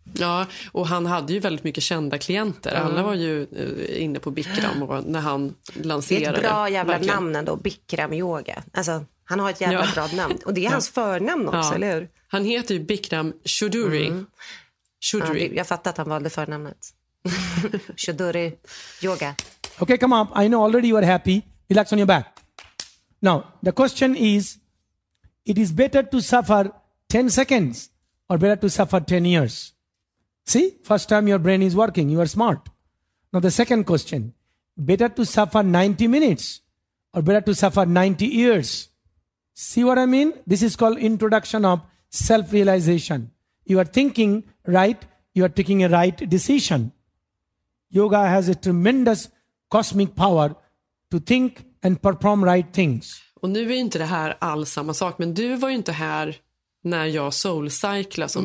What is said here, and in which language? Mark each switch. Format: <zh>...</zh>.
<sv>Ja, och han hade ju väldigt mycket kända klienter. Mm. Alla var ju inne på Bikram och när han lanserade. Det är ett bra jävla verkligen namn ändå, Bikram yoga. Alltså, han har ett jävla bra namn. Och det är hans förnamn också, eller hur? Han heter ju Bikram Choudhury. Mm. Choudhury. Ja, jag fattar att han valde förnamnet. Choudhury yoga.</sv> <en>Okay, come on. I know already you are happy. Relax on your back. Now, the question is, it is better to suffer 10 seconds or better to suffer 10 years? See, first time your brain is working, you are smart. Now, the second question, better to suffer 90 minutes or better to suffer 90 years? See what I mean? This is called introduction of self-realization. You are thinking right, you are taking a right decision. Yoga has a tremendous cosmic power to think and perform right things.</en> <sv>Och nu är inte det här alls samma sak, men du var ju inte här när jag soulcyclade som</sv>